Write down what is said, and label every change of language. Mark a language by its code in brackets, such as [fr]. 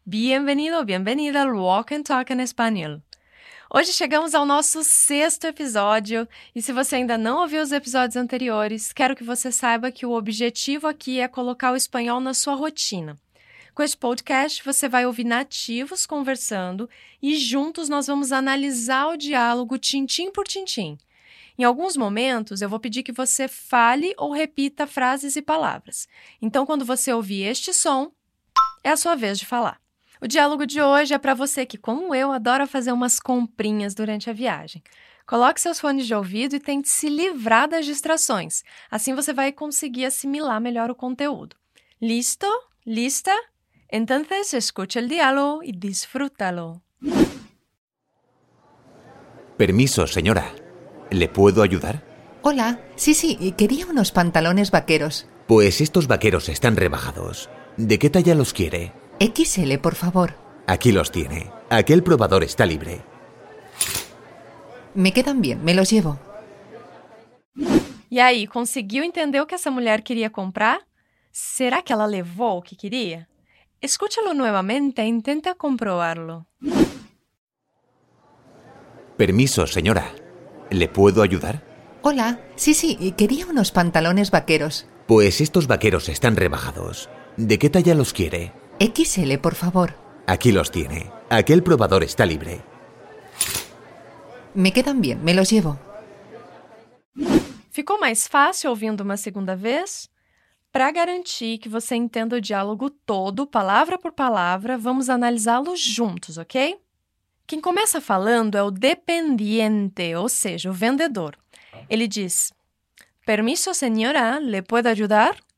[es] Bienvenido o bienvenida al Walk and Talk en Español. [pt] Hoje chegamos ao nosso sexto episódio e se você ainda não ouviu os episódios anteriores, quero que você saiba que o objetivo aqui é colocar o espanhol na sua rotina. Com esse podcast, você vai ouvir nativos conversando e juntos nós vamos analisar o diálogo tintim por tintim. Em alguns momentos, eu vou pedir que você fale ou repita frases e palavras. Então, quando você ouvir este som, é a sua vez de falar. O diálogo de hoje é para você que, como eu, adora fazer umas comprinhas durante a viagem. Coloque seus fones de ouvido e tente se livrar das distrações. Assim você vai conseguir assimilar melhor o conteúdo. [es] Listo? Lista? Entonces, escute el diálogo y disfrútalo. Permiso, señora. ¿Le puedo ayudar? Hola. Sí, sí, quería unos pantalones vaqueros. Pues estos vaqueros están rebajados. ¿De qué talla los quiere? XL, por favor. Aquí los tiene. Aquel probador está libre. Me quedan bien, me los llevo. ¿Y ahí, consiguió entender lo que esa mujer quería comprar? ¿Será que ella llevó lo que quería? Escúchalo nuevamente e intenta comprobarlo. Permiso, señora. ¿Le puedo ayudar? Hola. Sí, sí, quería unos pantalones vaqueros. Pues estos vaqueros están rebajados. ¿De qué talla los quiere? XL, por favor. Aquí los tiene. Aquel probador está libre. Me quedan bien, me los llevo. [pt] ¿Ficou más fácil ouvindo una segunda vez? Para garantir que você entenda o diálogo todo, palavra por palavra, vamos analisá-lo juntos, ok? Quem começa falando é o dependiente, ou seja, o vendedor. Ele diz, [es] permiso, [pt] senhora, [es] le puedo ayudar?